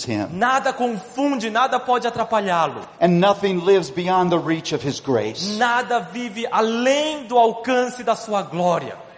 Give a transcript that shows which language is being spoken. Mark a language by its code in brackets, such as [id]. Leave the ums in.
[pt] Nada confunde, nada pode atrapalhá-lo. [en] And nothing lives beyond the reach of his grace. [pt] Nada vive além do alcance da sua glória.